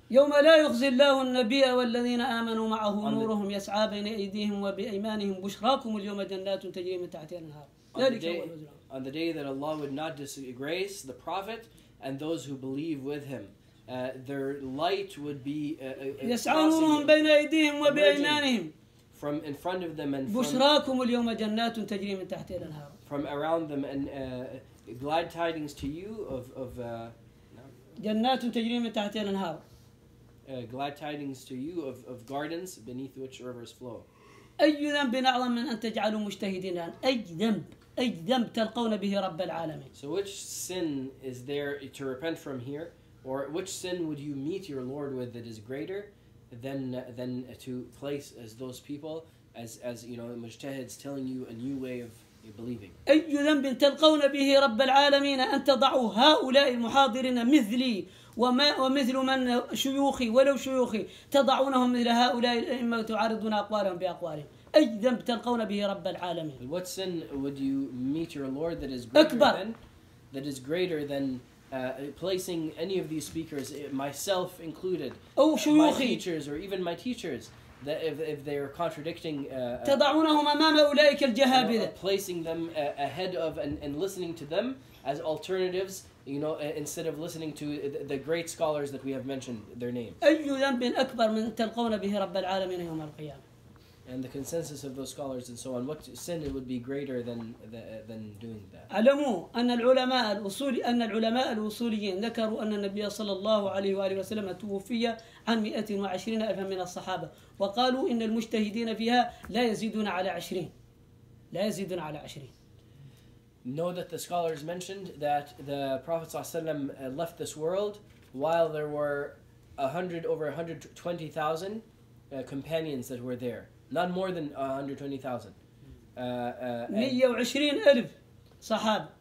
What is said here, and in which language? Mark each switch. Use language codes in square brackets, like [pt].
[ar] يوم لا يخزي الله النبي والذين آمنوا معه نورهم يسعى بين أيديهم وبأيمانهم بشراكم اليوم جنات تجري من تحتها الأنهار. [en] On the day that Allah would not disgrace the Prophet and those who believe with him. Their light would be [ar] يسعى نورهم بين أيديهم وبأيمانهم [en] from in front of them and [ar] بشراكم اليوم جنات تجري من تحت الأنهار [en] from around them and glad tidings to you of [ar] جنات تجري من تحت الأنهار [en] glad tidings to you of gardens beneath which rivers flow. [ar] أي ذنب أعظم من أن تجعلوا مجتهدين الآن؟ أي ذنب تلقون به رب العالمين؟ [en] So which sin is there to repent from here, or which sin would you meet your Lord with that is greater than to place as those people as you know mujtahids telling you a new way of believing? [ar] أي ذنب تلقون به رب العالمين أن تضعوا هؤلاء المحاضرين مثلي وما ومثل من شيوخي ولو شيوخي تضعونهم مثل هؤلاء الأئمة وتعارضون أقوالهم بأقوالهم أي ذنب تلقون به رب العالمين؟ [en] What sin would you meet your Lord that is greater [ar] أكبر. [en] Than that is greater than placing any of these speakers, myself included, [ar] أو شيوخي. [en] My teachers or even my teachers, that if they are contradicting [ar] تضعونهم أمام أولئك الجهابذة [en] placing them ahead of and listening to them as alternatives. You know, instead of listening to the great scholars that we have mentioned, their names. [ar] أي ذنب أكبر من تلقون به رب العالمين يوم القيامة. [en] And the consensus of those scholars and so on, what sin it would be greater than doing that. [ar] علموا أن العلماء الأصولي أن العلماء الأصوليين ذكروا أن النبي صلى الله عليه وآله وسلم توفي عن 120 ألفا من الصحابة وقالوا إن المجتهدين فيها لا يزيدون على 20 لا يزيدون على 20 [en] Know that the scholars mentioned that the Prophet ﷺ left this world while there were over 120,000 companions that were there. Not more than 120,000. [ar] 120,000 صحابة.